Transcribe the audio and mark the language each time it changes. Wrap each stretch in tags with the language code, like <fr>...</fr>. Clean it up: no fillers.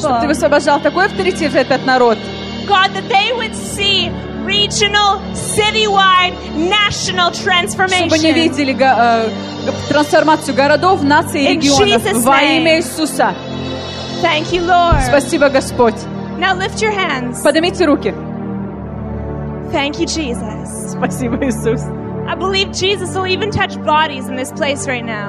<ru>Чтобы Ты высвобождал такой авторитет в этот народ.</ru> <en>God, that they would see regional, city-wide, national transformation.</en> <ru>Чтобы они видели трансформацию городов, наций и регионов во имя Иисуса.</ru> <en>Thank you, Lord.</en> <ru>Спасибо, Господь.</ru> <en>Now lift your hands.</en> <ru>Поднимите руки.</ru> <en>Thank you, Jesus.</en> <ru>Спасибо, Иисус.</ru> <en>I believe Jesus will even touch bodies in this place right now.</en>